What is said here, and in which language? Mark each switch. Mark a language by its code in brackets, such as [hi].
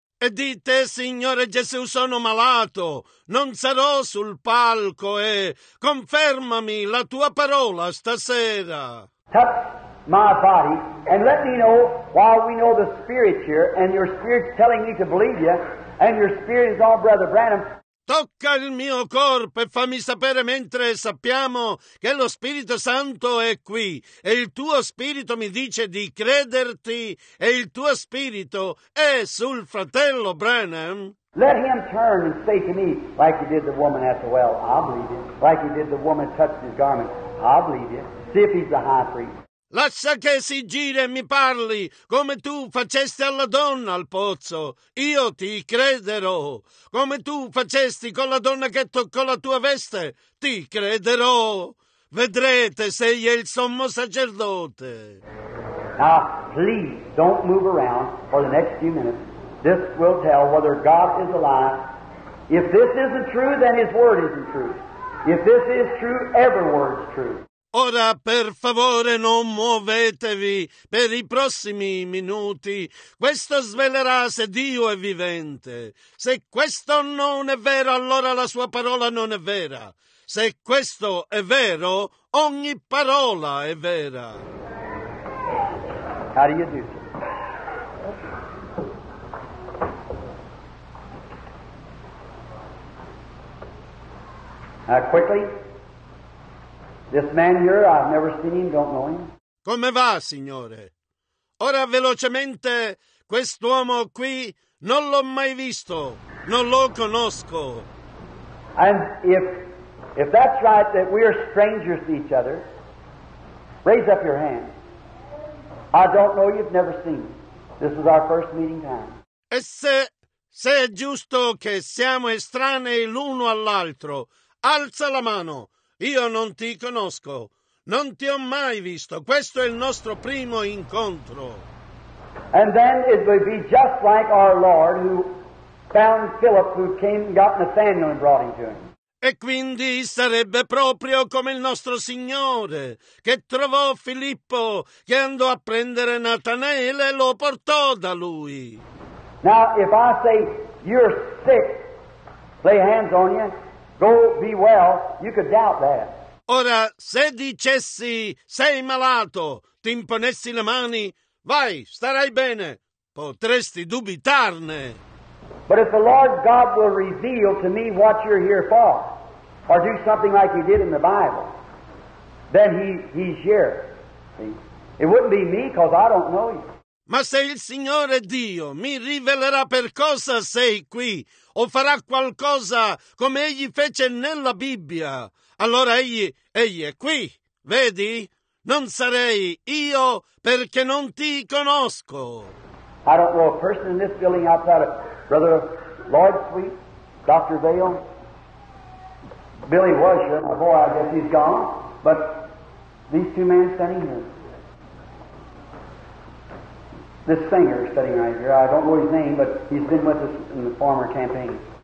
[it] E dite, Signore Gesù, sono malato. Non sarò sul palco e confermami la tua parola stasera. [en] Touch my body and let me know while we know the Spirit here and your Spirit telling me to believe you and your Spirit is all Brother Branham. [it] Tocca il mio corpo e fammi sapere mentre sappiamo che lo Spirito Santo è qui e il tuo Spirito mi dice di crederti e il tuo Spirito è sul fratello Branham. [en] Let him turn and say to me, like he did the woman at the well, I believe you. Like he did the woman touched his garment, I believe you. See if he's the high priest. [it] Lascia che si giri e mi parli, come tu facesti alla donna al pozzo. Io ti crederò. Come tu facesti con la donna che toccò la tua veste, ti crederò. Vedrete se egli è il sommo sacerdote. [en] Now, please, don't move around for the next few minutes. This will tell whether God is alive. If this isn't true, then his word isn't true. If this is true, every word is true. [it] Ora, per favore, non muovetevi per i prossimi minuti. Questo svelerà se Dio è vivente. Se questo non è vero, allora la sua parola non è vera. Se questo è vero, ogni parola è vera. [en] How do you do? Quickly. This man here, I've never seen him, don't know him. [it] Come va, signore? Ora velocemente, quest'uomo qui non l'ho mai visto, non lo conosco. [en] And if that's right, that we are strangers to each other, raise up your hand. I don't know you've never seen me. This is our first meeting time. [it] E se è giusto che siamo estranei l'uno all'altro, alza la mano. Io non ti conosco, non ti ho mai visto. Questo è il nostro primo incontro. [en] And then it would be just like our Lord who found Philip who came and got Nathanael and brought him to him. [it] E quindi sarebbe proprio come il nostro Signore che trovò Filippo che andò a prendere Natanael e lo portò da lui. [en] Now if I say you're sick, lay hands on you. Go be well, you could doubt that. [it] Ora, se dicessi sei malato, ti imponessi le mani, vai, starai bene, potresti dubitarne. [en] But if the Lord God will reveal to me what you're here for, or do something like he did in the Bible, then he's here. See? It wouldn't be me, because I don't know you. [it] Ma se il Signore Dio mi rivelerà per cosa sei qui o farà qualcosa come egli fece nella Bibbia, allora egli è qui, vedi? Non sarei io perché non ti conosco. [en] I don't know a person in this building outside of Brother Lord Sweet, Dr. Vale, Billy Washer, my boy, I guess he's gone, but These two men standing here. This singer sitting right here, I don't know his name, but he's been with us in the former campaign.